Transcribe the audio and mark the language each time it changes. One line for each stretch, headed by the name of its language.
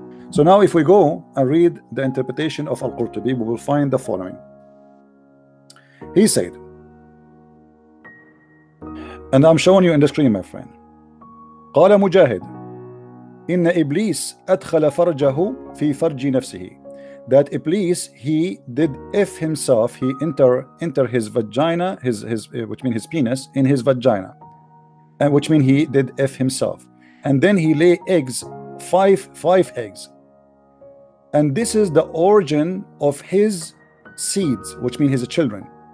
English: So now if we go and read the interpretation of Al-Qurtubi, we will find the following. He said, and I'm showing you in the screen, my friend.
Arabic: قال مجاهد إن إبليس أدخل فرجه في فرج نفسه.
English: That Iblis, he did if himself, he enter his vagina, his which mean his penis, in his vagina, and which mean he did if himself, and then he lay eggs, five eggs, and this is the origin of his seeds, which mean his children.